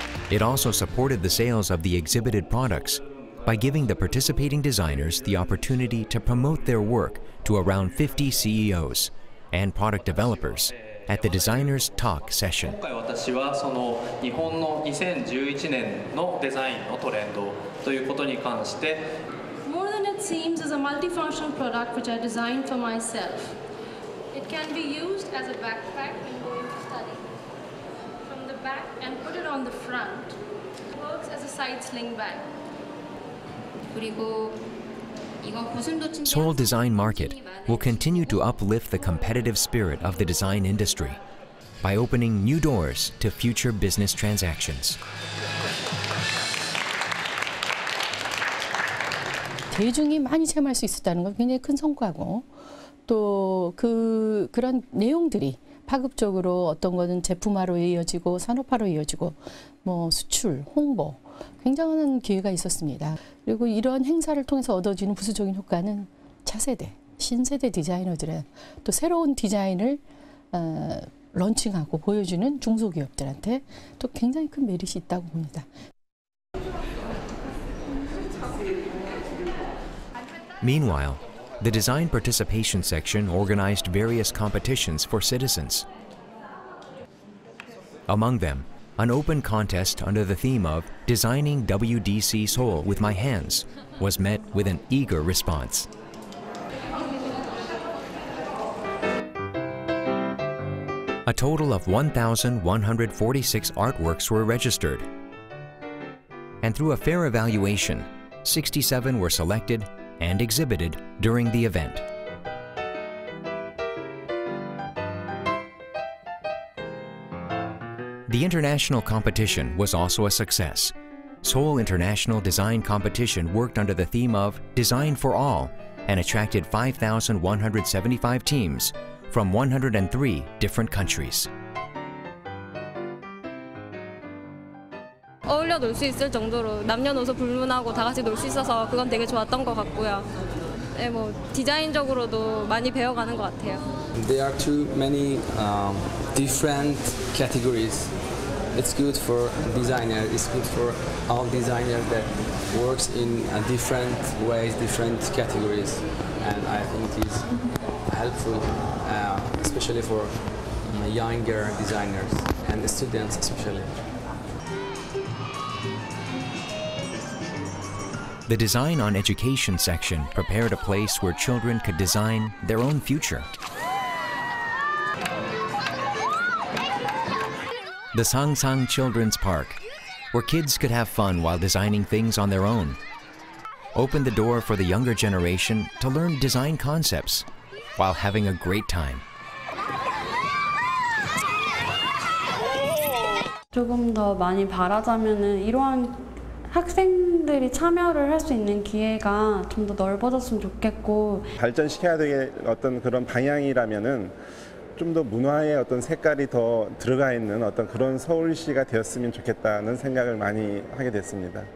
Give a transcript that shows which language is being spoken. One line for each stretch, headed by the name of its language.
English: It also supported the sales of the exhibited products by giving the participating designers the opportunity to promote their work to around 50 CEOs and product developers at the designers' talk session.
Japanese: 今回私はその日本の 2011年のデザインのトレンドということに関して
English: More than it seems is a multifunctional product which I designed for myself. It can be used as a backpack when going to study. From the back and put it on the front. It works as a side sling bag.
Korean: 그리고
English: Seoul Design Market will continue to uplift the competitive spirit of the design industry by opening new doors to future business transactions.
Korean: 대중이 많이 체험할 수 있었다는 건 굉장히 큰 성과고 또 그런 내용들이 파급적으로 어떤 거는 제품화로 이어지고 산업화로 이어지고 뭐 수출, 홍보 굉장한 기회가 있었습니다. 그리고 이런 행사를 통해서 얻어지는 부수적인 효과는 차세대, 신세대 디자이너들은 또 새로운 디자인을 런칭하고 보여주는 중소기업들한테 또 굉장히 큰 메리트가 있다고 봅니다.
English: Meanwhile, the design participation section organized various competitions for citizens. Among them, an open contest under the theme of Designing WDC Seoul with My Hands was met with an eager response. A total of 1,146 artworks were registered. And through a fair evaluation, 67 were selected and exhibited during the event. The international competition was also a success. Seoul International Design Competition worked under the theme of Design for All and attracted 5,175 teams from 103 different countries.
Korean: 어울려 놀 수 있을 정도로 남녀노소 불문하고 다 같이 놀 수 있어서 그건 되게 좋았던 것 같고요. 네, 뭐 디자인적으로도 많이 배워가는 것 같아요.
English: There are too many different categories. It's good for designer. It's good for all designers that works in different ways, different categories, and I think it's helpful, especially for younger designers and students, especially. The Design on Education section prepared a place where children could design their own future. The Sangsang Children's Park, where kids could have fun while designing things on their own, opened the door for the younger generation to learn design concepts while having a great time.
Korean: 조금 더 많이 바라자면은 이러한 학생들이 참여를 할 수 있는 기회가 좀 더 넓어졌으면 좋겠고 발전시켜야 될 어떤 그런 방향이라면은 좀 더 문화의 어떤 색깔이 더 들어가 있는 어떤 그런 서울시가 되었으면 좋겠다는 생각을 많이 하게 됐습니다.